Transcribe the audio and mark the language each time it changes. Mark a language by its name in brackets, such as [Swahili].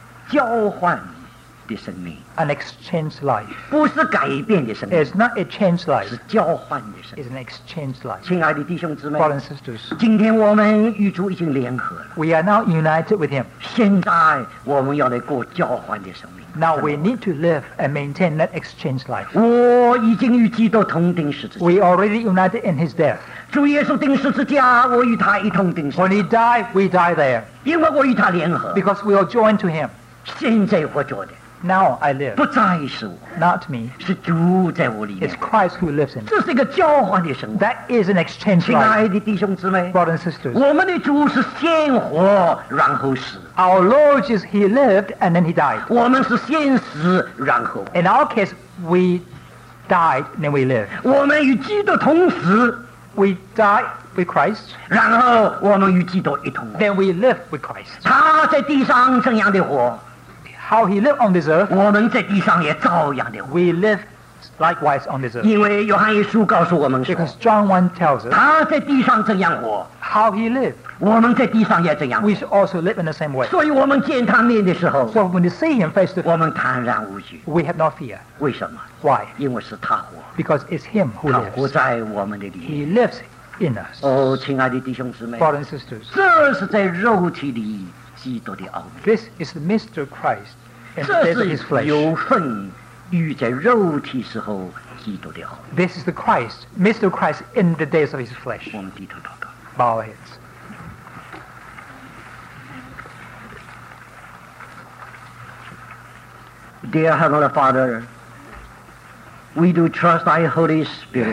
[Chinese] 交换的生命 [English] An exchange life [Chinese] 不是改变的生命 [English] It's not a change life [Chinese] 是交换的生命 [English] It's an exchange life [Chinese] 亲爱的弟兄姊妹 [English] Brothers and sisters [Chinese] 今天我们与主已经联合了 [English] We are now united with him [Chinese] 现在我们要来过交换的生命 [English] Now we need to live and maintain that exchange life [Chinese] 我已经与基督同钉十字架 [English] We already united in his death [Chinese] 主耶稣钉十字架我与他一同钉十字架 [English] When he died, we die there Because we are joined to him. [Chinese] 现在我做的 [English] Now I live. [Chinese] 不再是我 [English] Not me. [Chinese] 是主在我里面 [English] It's Christ who lives in me. [Chinese] 这是一个交换的生活 [English] That is an exchange life. [Chinese] 亲爱的弟兄姊妹 [English] Brothers and sisters. [Chinese] 我们的主是先活然后死 [English] Our Lord is he lived and then he died. [Chinese] 我们是先死然后 [English] In our case, we died and then we live. [Chinese] 我们与基督同死 [English] We died. With Christ, [Chinese] 然后我们与基督一同。 [English] Then we live with Christ. [Chinese] 他在地上怎样的活 [English] ？How he lived on this earth? [Chinese] 我们在地上也照样的活。 [English] We live likewise on this earth. [Chinese] 因为约翰一书告诉我们说 [English] ，Because John 1 tells us, [Chinese] 他在地上怎样活 [English] ？How he lived? [Chinese] 我们在地上也怎样活 [English] ？We should also live in the same way. [Chinese] 所以我们见他面的时候 [English] ，So when you see him face to face, [Chinese] 我们坦然无惧。 [English] We have no fear. [Chinese] 为什么 [English] ？Why? [Chinese] 因为是他活。 [English] Because it's him who lives. [Chinese] 他活在我们的里面。 [English] He lives. In us. [Chinese] Oh, 亲爱的弟兄姊妹 [English] Brothers and sisters [Chinese] 这是在肉体里基督的奥秘 [English] This is the mystery of Christ in the death of his flesh [Chinese] 这是有份与在肉体时候基督的奥秘 [English] This is the Christ, mystery of Christ in the days of his flesh [Chinese] 我们低头祷告 [English] Bow our heads Dear Heavenly Father We do trust thy Holy Spirit